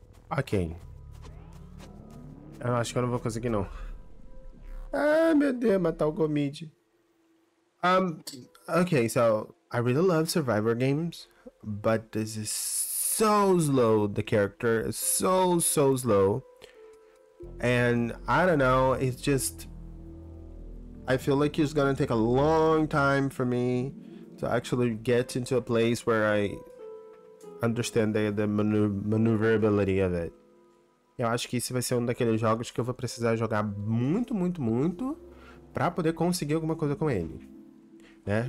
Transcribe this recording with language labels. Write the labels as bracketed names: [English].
[Portuguese] Ok. Eu acho que eu não vou conseguir, não. Ah, meu Deus, matar o Gomid. [English] Ok, so I really love survivor games, but this is so slow. The character is so slow. And I don't know, it's just I feel like it's gonna take a long time for me to actually get into a place where I understand the maneuverability of it. [Portuguese] Eu acho que esse vai ser um daqueles jogos que eu vou precisar jogar muito pra poder conseguir alguma coisa com ele. Né?